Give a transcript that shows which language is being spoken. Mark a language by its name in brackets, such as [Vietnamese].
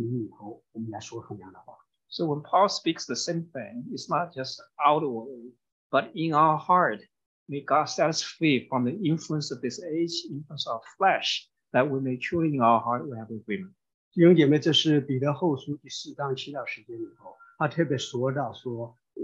[Chinese] 不仅仅是这个外在上的一次，更重要的是里面我们要脱离这个世界的影响和肉体的引诱，在圣灵里头我们来说同样的话。 [English] So when Paul speaks the same thing, it's not just outwardly, but in our heart, may God set us free from the influence of this age, influence of flesh, that we may truly in our heart we have agreement. [Chinese] 弟兄姐妹，这是彼得后书第4章7到10节里头，他特别说到说。